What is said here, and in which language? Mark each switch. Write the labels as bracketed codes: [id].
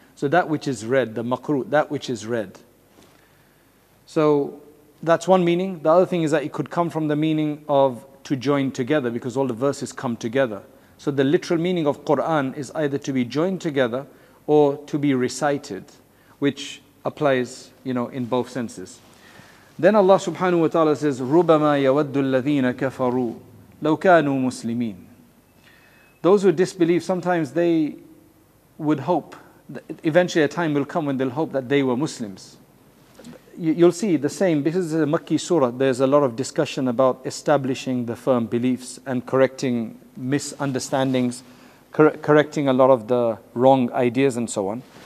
[en] So that which is read, the makruh, that which is read. So that's one meaning. The other thing is that it could come from the meaning of to join together, because all the verses come together. So the literal meaning of Qur'an is either to be joined together or to be recited, which applies, you know, in both senses. Then Allah subhanahu wa ta'ala says, [ar] رُبَمَا يَوَدُّ الَّذِينَ كَفَرُوا لَوْ كَانُوا مُسْلِمِينَ. [en] Those who disbelieve, sometimes they would hope, eventually a time will come when they'll hope that they were Muslims. you'll see the same. This is a Makki surah. There's a lot of discussion about establishing the firm beliefs and correcting misunderstandings, correcting a lot of the wrong ideas and so on.